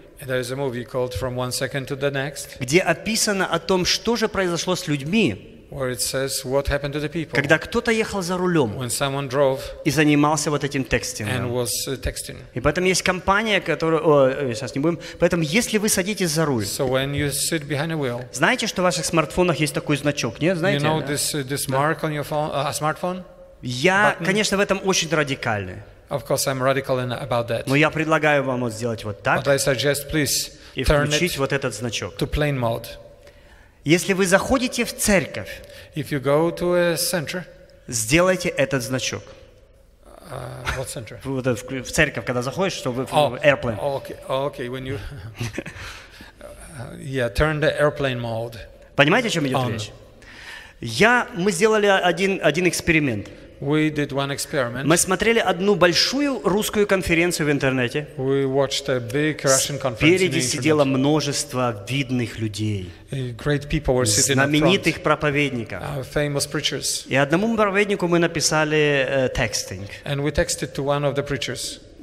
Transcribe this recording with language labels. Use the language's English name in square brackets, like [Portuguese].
[English] and there is a movie called «From One Second to the Next», [Russian] где описано о том, что же произошло с людьми, [English] where it says what happened to the people, [Russian] когда кто-то ехал за рулем, [English] when someone drove, [Russian] и занимался вот этим текстингом. [English] And was texting. [Russian] И поэтому есть компания, которая... сейчас не будем. Поэтому если вы садитесь за руль, [English] so when you sit behind a wheel, [Russian] знаете, что в ваших смартфонах есть такой значок, нет? Знаете? [English] You know this mark on your phone, a smartphone? Я, button? [Russian] Конечно, в этом очень радикальный. [English] Of course, I'm radical about that. [Russian] Но я предлагаю вам вот сделать вот так. [English] But I suggest, please, [Russian] и включить вот этот значок. [English] To plain mode. [Russian] Если вы заходите в церковь, [English] if you go to a center, [Russian] сделайте этот значок. [English] What center? [Russian] В церковь, когда заходишь, чтобы в airplane. [English] Okay, when you yeah, turn the airplane mode. [Russian] Понимаете, о чем идет речь? Мы сделали один эксперимент. [English] We did one experiment. [Russian] Мы смотрели одну большую русскую конференцию в интернете. [English] We watched a big Russian conference. [Russian] Спереди сидело множество видных людей. [English] Great people were sitting in front. [Russian] Знаменитых проповедников. [English] Famous preachers. [Russian] И одному проповеднику мы написали texting. [English] And we texted to one of the preachers.